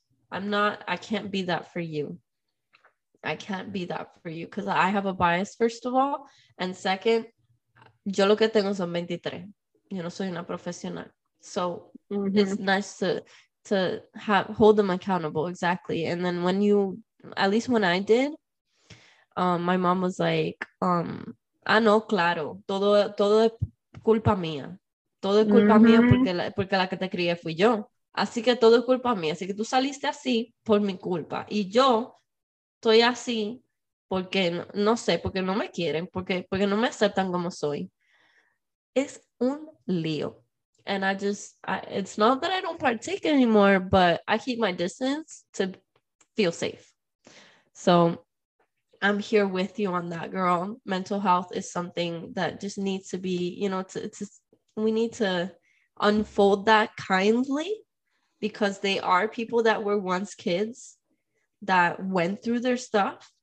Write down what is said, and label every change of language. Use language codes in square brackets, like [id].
[en] I can't be that for you because I have a bias, first of all, and second, [es] yo lo que tengo son 23, yo no soy una profesional, [en] so it's nice to have, hold them accountable. Exactly. And then when you, at least when I did, my mom was like, [es] ah, no, claro, todo es culpa mía. Todo es culpa mía porque la que te crié fui yo. Así que todo es culpa mía. Así que tú saliste así por mi culpa. Y yo estoy así porque, no sé, porque no me quieren, porque no me aceptan como soy. Es un lío. [en] And it's not that I don't partake anymore, but I keep my distance to feel safe. So I'm here with you on that, girl. Mental health is something that just needs to be, you know, we need to unfold that kindly, because they are people that were once kids that went through their stuff.